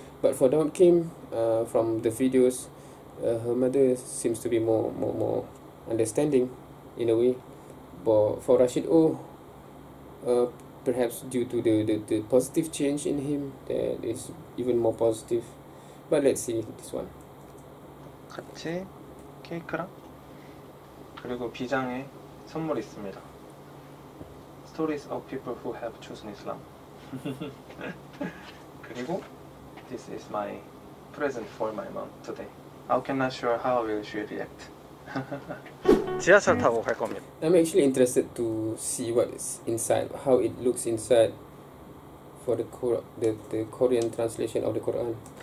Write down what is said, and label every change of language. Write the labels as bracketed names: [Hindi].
[English] But for Daud Kim, from the videos, her mother seems to be more understanding. In a way, but for Rashid Oh, perhaps due to the positive change in him, that is even more positive. But let's see this one. [Korean] 같이 케이크랑 그리고 비장에 선물 있습니다. [English] Stories of people who have chosen Islam. [Korean] 그리고 [English] this is my present for my mom today. I cannot sure how will she react. [Korean] 지하철 타고 갈 겁니다. [English] I'm actually interested to see what is inside, how it looks inside for the Korean translation of the Quran.